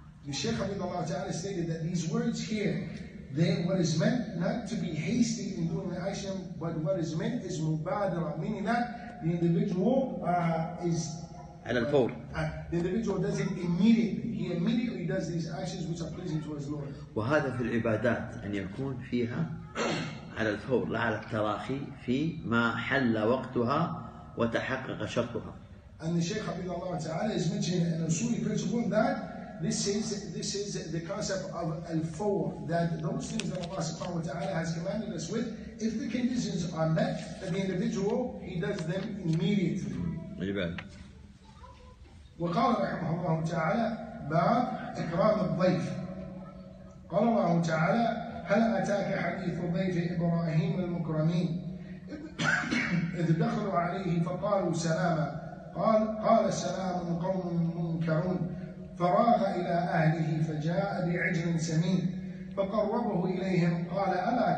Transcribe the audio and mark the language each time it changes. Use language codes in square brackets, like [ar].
[en] The Shaykh Abu Dawud Ta'ala stated that these words here, they what is meant not to be hasty in doing the action, but what is meant is مبادرة, meaning that the individual is. [ar] على الفور. [en] The individual does it immediately. He immediately does these actions which are pleasing to his Lord. [ar] وهذا في العبادات أن يكون فيها على الفور لا على التراخي في ما حل وقتها وتحقق شرطها. [en] And the Shaykh Abu Dawud Ta'ala is mentioning an Usuli principle that this is the concept of al-fawr that those things that Allah Subhanahu wa Ta'ala has commanded us with, if the conditions are met, then the individual he does them immediately. [ar] عجيب. وقال رحمه الله تعالى باب إكرام الضيف قال الله تعالى هل أتاك حديث ضيف إبراهيم المكرمين إذ دخلوا عليه فقالوا سلاما قال سلام قوم منكرون فراغ إلى أهله فجاء بعجل سمين فقربه إليهم قال ألا